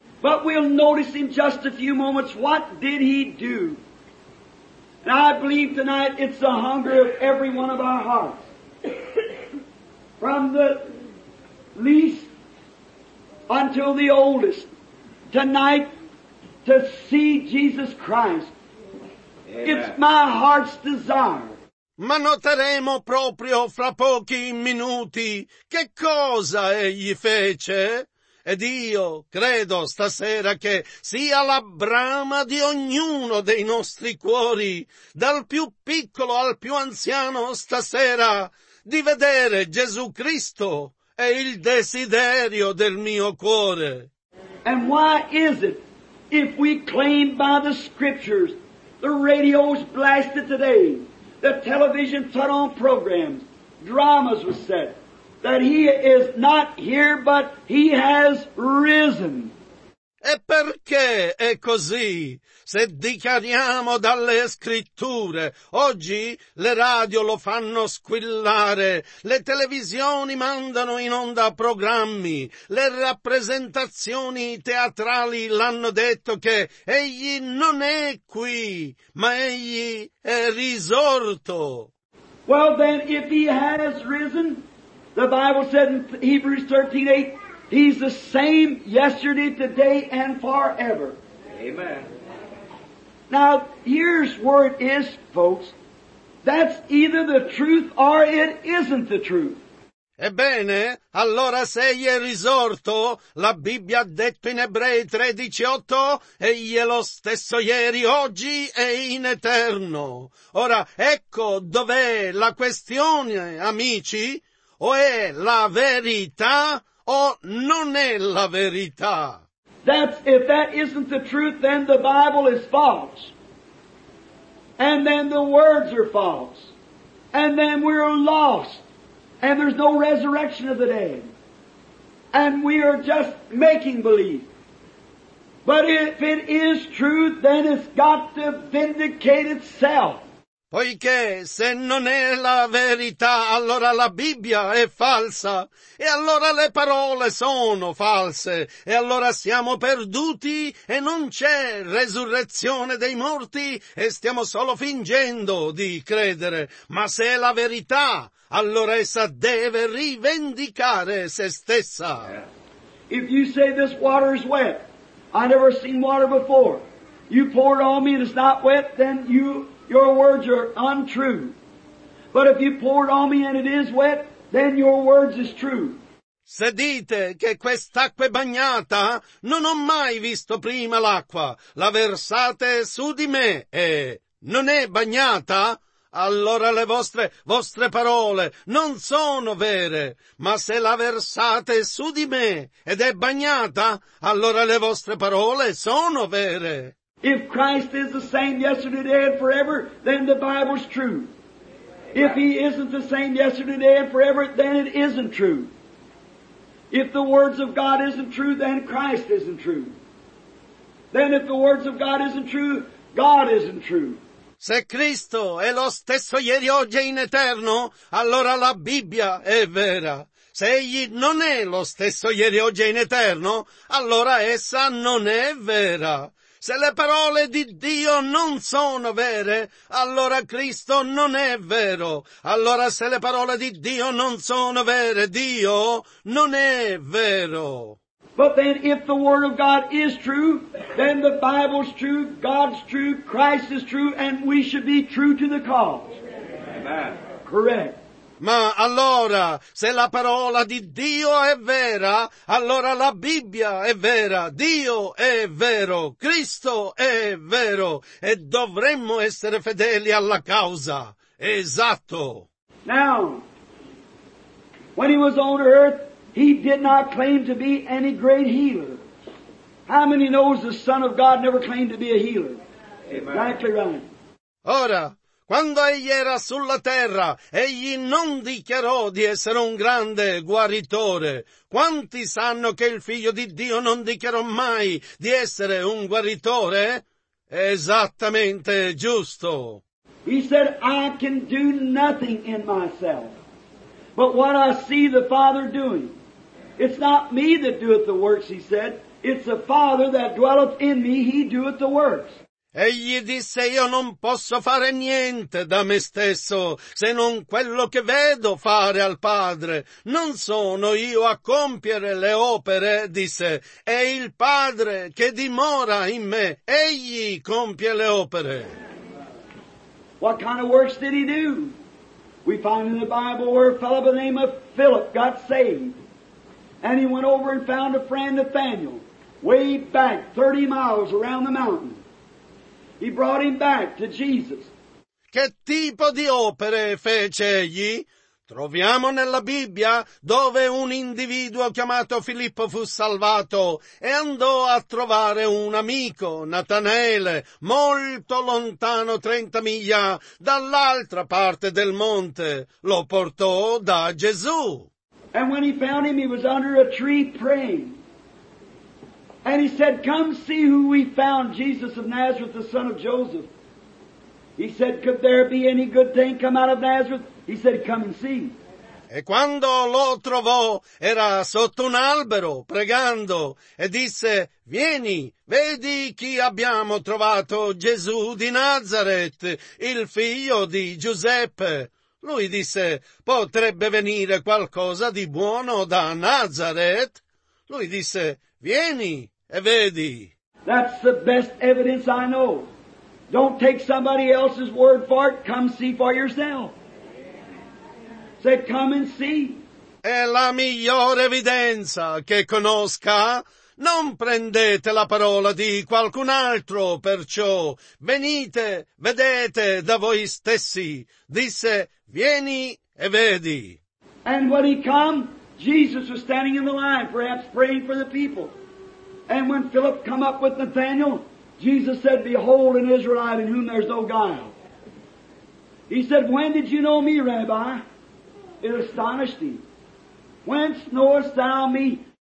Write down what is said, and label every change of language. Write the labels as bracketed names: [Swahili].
[English] But we'll notice in just a few moments what did he do. And I believe tonight it's the hunger of every one of our hearts. From the least until the oldest. Tonight, to see Jesus Christ. Amen. It's my heart's desire. [Italian] Ma noteremo proprio fra pochi minuti che cosa egli fece. Ed io credo stasera che sia la brama di ognuno dei nostri cuori, dal più piccolo al più anziano stasera, di vedere Gesù Cristo è il desiderio del mio cuore. [English] And why is it? If we claim by the scriptures, the radios blasted today, the television put on programs, dramas were set, that he is not here but he has risen. [Italian] E perché è così? Se dichiariamo dalle scritture, oggi le radio lo fanno squillare, le televisioni mandano in onda programmi, le rappresentazioni teatrali l'hanno detto che egli non è qui, ma egli è risorto. [English] Well then, if he has risen, the Bible said in Hebrews 13:8, he's the same yesterday, today, and forever. Amen. Now, here's where it is, folks. That's either the truth or it isn't the truth. [Italian] Ebbene, allora se egli è risorto, la Bibbia ha detto in Ebrei 13:8, egli è lo stesso ieri, oggi e in eterno. Ora, ecco dov'è la questione, amici. O è la verità o non è la verità. [English] That's, if that isn't the truth, then the Bible is false. And then the words are false. And then we're lost. And there's no resurrection of the dead. and we are just making believe. But if it is truth, then it's got to vindicate itself. [Italian] Poiché se non è la verità, allora la Bibbia è falsa, e allora le parole sono false, e allora siamo perduti, e non c'è resurrezione dei morti, e stiamo solo fingendo di credere. Ma se è la verità, allora essa deve rivendicare se stessa. [English] If you say this water is wet, I never seen water before. You pour it on me and it's not wet, then you... Your words are untrue. But if you pour it on me and it is wet, then your words is true. [Italian] Se dite che quest'acqua è bagnata, non ho mai visto prima l'acqua. La versate su di me e non è bagnata? Allora le vostre parole non sono vere. Ma se la versate su di me ed è bagnata, allora le vostre parole sono vere. [English] If Christ is the same yesterday, today, and forever, then the Bible's true. If He isn't the same yesterday, today, and forever, then it isn't true. If the words of God isn't true, then Christ isn't true. Then if the words of God isn't true, God isn't true. [Italian] Se Cristo è lo stesso ieri, oggi e in eterno, allora la Bibbia è vera. Se Egli non è lo stesso ieri, oggi e in eterno, allora essa non è vera. Se le parole di Dio non sono vere, allora Cristo non è vero. Allora se le parole di Dio non sono vere, Dio non è vero. [English] But then if the word of God is true, then the Bible's true, God's true, Christ is true, and we should be true to the cause. Amen. Correct. [Italian] Ma allora, se la parola di Dio è vera, allora la Bibbia è vera, Dio è vero, Cristo è vero, e dovremmo essere fedeli alla causa. Esatto. [English] Now, when he was on earth, he did not claim to be any great healer. How many knows the Son of God never claimed to be a healer? Exactly right. [Italian] Ora, quando egli era sulla terra, egli non dichiarò di essere un grande guaritore. Quanti sanno che il Figlio di Dio non dichiarò mai di essere un guaritore? Esattamente giusto. [English] He said, I can do nothing in myself, but what I see the Father doing. It's not me that doeth the works, he said. It's the Father that dwelleth in me, he doeth the works. [Italian] Egli disse, io non posso fare niente da me stesso, se non quello che vedo fare al Padre. Non sono io a compiere le opere, disse, è il Padre che dimora in me. Egli compie le opere. [English] What kind of works did he do? We find in the Bible where a fellow by the name of Philip got saved. And he went over and found a friend, Nathaniel, way back 30 miles around the mountain. He brought him back to Jesus. [Italian] Che tipo di opere fece egli? Troviamo nella Bibbia dove un individuo chiamato Filippo fu salvato e andò a trovare un amico, Natanaele, molto lontano, 30 miglia dall'altra parte del monte. Lo portò da Gesù. [English] And when he found him, he was under a tree praying. And he said, come see who we found, Jesus of Nazareth, the son of Joseph. He said, could there be any good thing come out of Nazareth? He said, come and see. [Italian] E quando lo trovò, era sotto un albero, pregando, e disse, vieni, vedi chi abbiamo trovato, Gesù di Nazareth, il figlio di Giuseppe. Lui disse, potrebbe venire qualcosa di buono da Nazareth? Lui disse, vieni e vedi. [English] That's the best evidence I know. Don't take somebody else's word for it. Come see for yourself. Say, come and see. [Italian] È la migliore evidenza che conosca. Non prendete la parola di qualcun altro, perciò. Venite, vedete da voi stessi. Disse, vieni e vedi. [English] And when he come, Jesus was standing in the line, perhaps praying for the people. And when Philip come up with Nathanael, Jesus said, behold an Israelite in whom there's no guile. He said, when did you know me, Rabbi? It astonished him. Whence knowest thou me?